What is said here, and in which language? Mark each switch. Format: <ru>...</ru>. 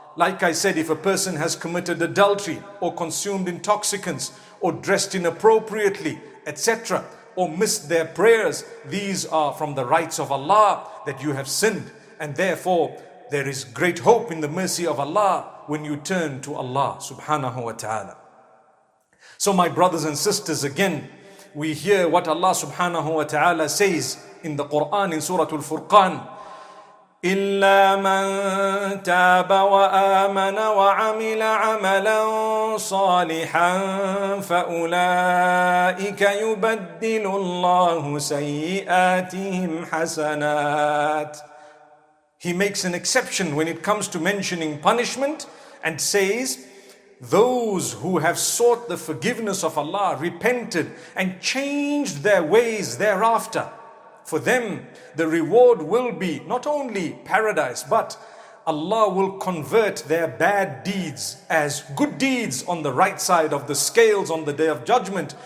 <en>Like I said, if a person has committed adultery or consumed intoxicants or dressed inappropriately, etc., or missed their prayers, these are from the rights of Allah that you have sinned. And therefore, there is great hope in the mercy of Allah when you turn to Allah subhanahu wa ta'ala. So my brothers and sisters, again, we hear what Allah subhanahu wa ta'ala says in the Quran, in Surah Al-Furqan,</en> <ar>إلا من تاب وآمن وعمل عملا صالحا فأولئك يبدل الله سيئاتهم حسنات.</ar> <en>He makes an exception when it comes to mentioning punishment and says, those who have sought the forgiveness of Allah, repented and changed their ways thereafter, for them, the reward will be not only paradise, but Allah will convert their bad deeds as good deeds on the right side of the scales on the day of judgment.</en>